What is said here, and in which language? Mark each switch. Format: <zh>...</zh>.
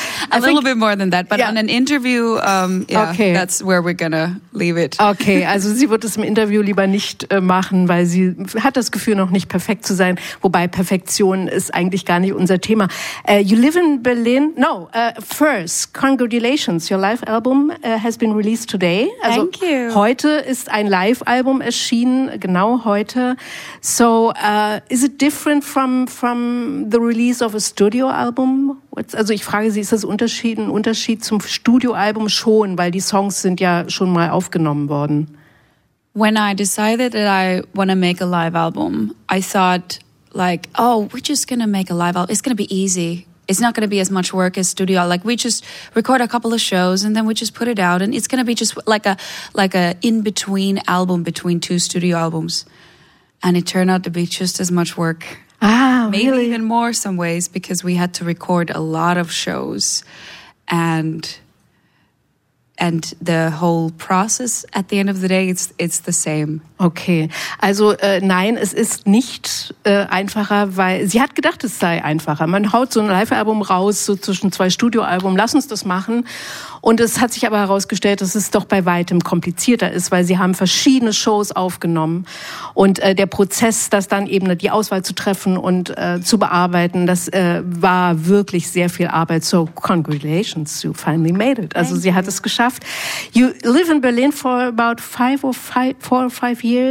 <en>A little bit more than that, but yeah. On an interview, okay. That's where we're gonna leave it.</en> <de>Okay, also sie wird es im Interview lieber nicht machen, weil sie hat das Gefühl, noch nicht perfekt zu sein. Wobei Perfektion ist eigentlich gar nicht unser Thema.</de> <en>You live in Berlin. No, first, congratulations. Your live album has been released today. Also, thank you.</en> <de>Heute ist ein Live-Album erschienen, genau heute.</de> <en>So, is it different from the release of a studio album?</en> <de>Also ich frage Sie, ist das ein Unterschied zum Studioalbum schon, weil die Songs sind ja schon mal aufgenommen worden?</de> <en>When I decided that I want to make a live album, I thought like, oh, we're just gonna make a live album. It's gonna be easy. It's not gonna be as much work as studio. Like we just record a couple of shows and then we just put it out, and it's gonna be just like a in between album between two studio albums. And it turned out to be just as much work. Maybe really? Even more some ways, because we had to record a lot of shows, and the whole process at the end of the day, it's the same.</en> <de>Okay, also nein, es ist nicht einfacher, weil sie hat gedacht, es sei einfacher. Man haut so ein Live-Album raus, so zwischen zwei Studio-Album, lass uns das machen. Und es hat sich aber herausgestellt, dass es doch bei weitem komplizierter ist, weil sie haben verschiedene Shows aufgenommen. Und der Prozess, das dann eben die Auswahl zu treffen und zu bearbeiten, das war wirklich sehr viel Arbeit.</de> <en>So, congratulations, you finally made it.</en> <de>Also sie hat es geschafft.</de> <en>You live in Berlin for about five or six years.</en>